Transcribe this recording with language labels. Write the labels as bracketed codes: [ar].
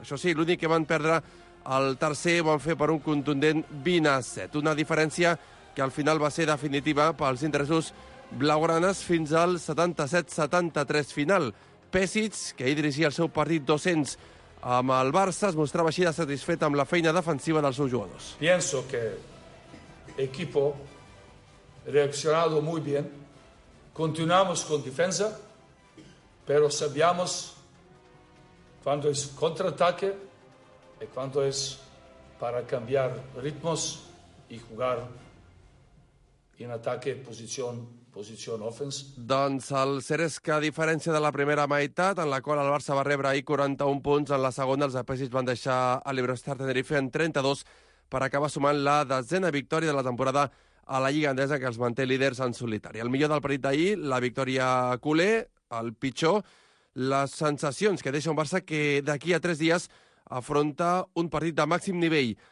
[ca] Això sí, l'únic que van perdre el tercer ho van fer per un contundent 20-7. Una diferència que al final va ser definitiva pels interessos blaugranes fins al 77-73 final. Pesic, que ahir dirigia el seu partit 200 amb el Barça, es mostrava així de satisfet amb la feina defensiva dels seus jugadors. [es] Pienso que equipo reaccionado muy bien. Continuamos con defensa, pero sabíamos cuando es contraataque y cuando es para cambiar ritmos y jugar en ataque, posición offense. [ca] Doncs el Ceresca, a diferència de la primera meitat, en la qual el Barça va rebre ahir 41 punts, en la segona els apèsits van deixar a l'Iberostar Tenerife en 32 per acabar sumant la desena victòria de la temporada a la Lliga Endesa, que els manté líders en solitari. El millor del partit d'ahir, la victòria culer, el pitjor, les sensacions que deixa un Barça que d'aquí a 3 dies afronta un partit de màxim nivell.